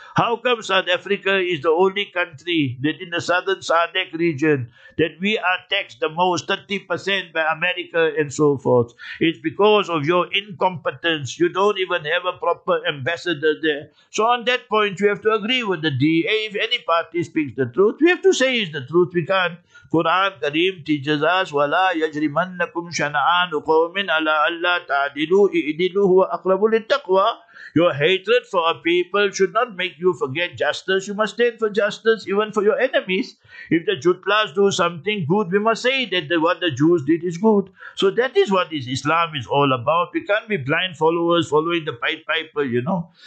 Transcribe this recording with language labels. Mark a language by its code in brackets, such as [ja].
[en] How come South Africa is the only country that in the southern SADC region that we are taxed the most, 30% by America and so forth? It's because of your incompetence. You don't even have a proper ambassador there. So on that point, we have to agree with the DA. If any party speaks the truth, we have to say it's the truth. We can't. [ar] Quran Kareem teaches us, وَلَا يَجْرِمَنَّكُمْ شَنَآنُ قَوْمٍ عَلَىٰ أَلَّا تَعْدِلُوا إِعْدِلُوا هُوَ أَقْرَبُ لِلتَّقْوَىٰ. [en] Your hatred for a people should not make you forget justice. You must stand for justice even for your enemies. If the Jutlas do something good, we must say that what the Jews did is good. So that is what Islam is all about. We can't be blind followers following the Pied Piper, you know.